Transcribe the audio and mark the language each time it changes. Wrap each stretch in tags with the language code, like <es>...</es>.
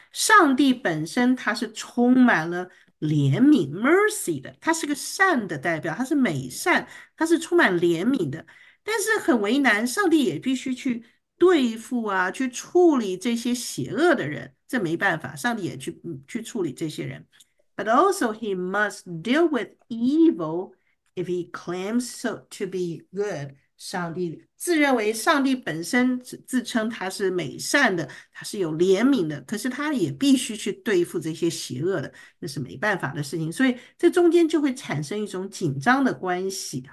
<zh>上帝本身他是充满了怜悯 （mercy） 的，他是个善的代表，他是美善，他是充满怜悯的。但是很为难，上帝也必须去对付啊，去处理这些邪恶的人，这没办法，上帝也去处理这些人。</zh> <en>But also he must deal with evil if he claims so to be good。</en> <zh>上帝自认为上帝本身自称他是美善的，他是有怜悯的，可是他也必须去对付这些邪恶的，那是没办法的事情。所以这中间就会产生一种紧张的关系。</zh>